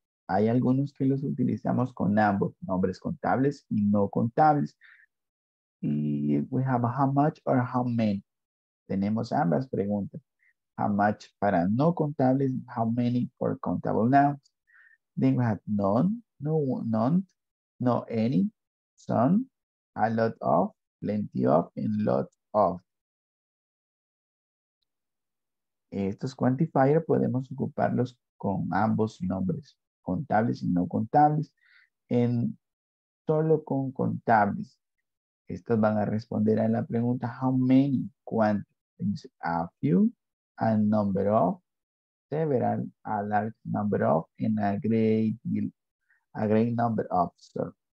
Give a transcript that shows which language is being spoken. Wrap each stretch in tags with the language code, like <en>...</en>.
<es>Hay algunos que los utilizamos con ambos, nombres contables y no contables.</es> <en>Y we have how much or how many.</en> <es>Tenemos ambas preguntas.</es> <en>How much</en> <es>para no contables,</es> <en>how many for countable nouns. Then we have none, no, none, no any, some, a lot of, plenty of, and lot of.</en> <es>Estos quantifiers podemos ocuparlos con ambos nombres, contables y no contables, en solo con contables. Estos van a responder a la pregunta,</es> <en>how many, cuántos, a few, a number of, several, a large number of, and a great deal, a great number of, so.</en>